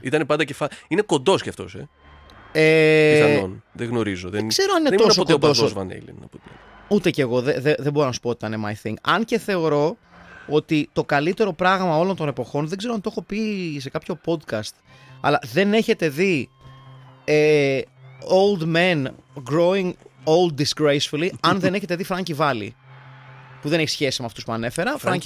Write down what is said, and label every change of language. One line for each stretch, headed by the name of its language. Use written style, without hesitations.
Greek: Ήταν πάντα κεφάλι. Είναι κοντό κι αυτό, πιθανόν. Δεν γνωρίζω. Δεν ξέρω αν είναι τόσο κοντό. Δεν ήμουν ποτέ ο Van Halen, να πω. Ούτε κι εγώ. Δεν μπορώ να σου πω ότι ήταν
English: my thing.
Greek: Αν και θεωρώ ότι το καλύτερο πράγμα όλων των εποχών. Δεν ξέρω αν το έχω πει σε κάποιο podcast. Αλλά δεν έχετε δει.
English: Old men growing old disgracefully.
Greek: Αν δεν έχετε δει Frankie Valli. Που δεν έχει σχέση με αυτούς που ανέφερα.